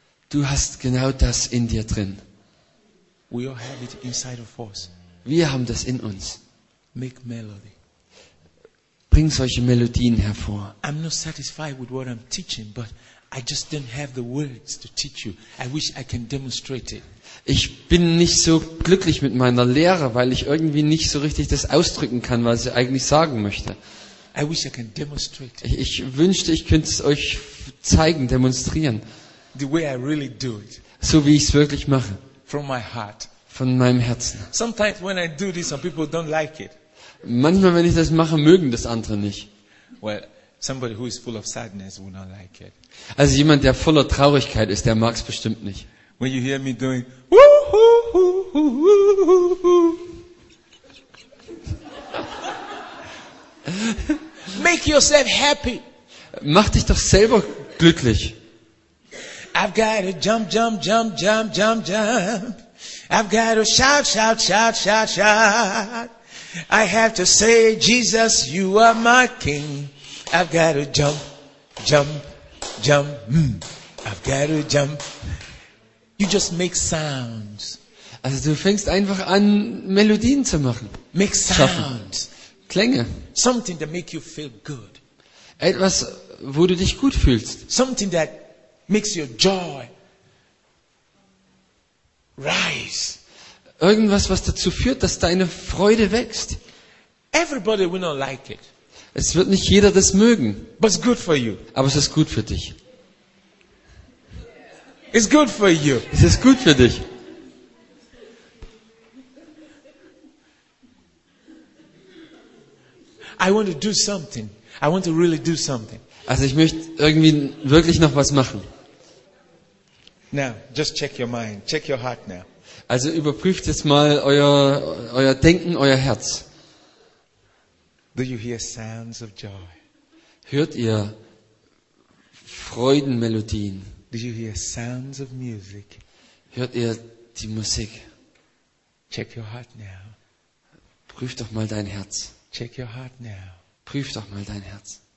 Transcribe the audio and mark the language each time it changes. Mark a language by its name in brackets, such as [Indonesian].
[German] Du hast genau das in dir drin. [English] We all have it inside of us. [German] Wir haben das in uns. [English] Make melody. [German] Bring solche Melodien hervor. [English] I'm not satisfied with what I'm teaching, but I just don't have the words to teach you. I wish I can demonstrate it. [German] Ich bin nicht so glücklich mit meiner Lehre, weil ich irgendwie nicht so richtig das ausdrücken kann, was sie eigentlich sagen möchte. [English] I wish I can demonstrate. [German] Ich wünschte, ich könnte es euch zeigen, demonstrieren. [English] The way I really do it. [German] So wie ich es wirklich mache. [English] From my heart. [German] Von meinem Herzen. [English] Sometimes when I do this, some people don't like it. [German] Manchmal, wenn ich das mache, mögen das andere nicht. [English] Well, somebody who is full of sadness will not like it. [German] Also jemand, der voller Traurigkeit ist, der mag es bestimmt nicht. [English] When you hear me doing woo-hoo-hoo-hoo-hoo-hoo. Make yourself happy. [German] Mach dich doch selber glücklich. [English] I've got to jump, jump, jump, jump, jump, jump. I've got to shout, shout, shout, shout, shout. I have to say, Jesus, you are my king. I've got to jump, jump, jump. I've got to jump. You just make sounds. [German] Also du fängst einfach an, Melodien zu machen. [English] Make sounds. [German] Klänge. [English] Something that make you feel good. [German] Etwas, wo du dich gut fühlst. [English] Something that makes your joy rise. [German] Irgendwas, was dazu führt, dass deine Freude wächst. [English] Everybody will not like it. [German] Es wird nicht jeder das mögen. [English] But it's good for you. [German] Aber es ist gut für dich. [English] It's good for you. [German] Es ist gut für dich. [English] I want to do something. I want to really do something. [German] Also ich möchte irgendwie wirklich noch was machen. [English] Now, just check your mind. Check your heart now. [German] Also überprüft jetzt mal euer Denken, euer Herz. [English] Do you hear sounds of joy? [German] Hört ihr Freudenmelodien? [English] Do you hear sounds of music? [German] Hört ihr die Musik? [English] Check your heart now. [German] Prüft doch mal dein Herz. [English] Check your heart now. [German] Prüft doch mal dein Herz.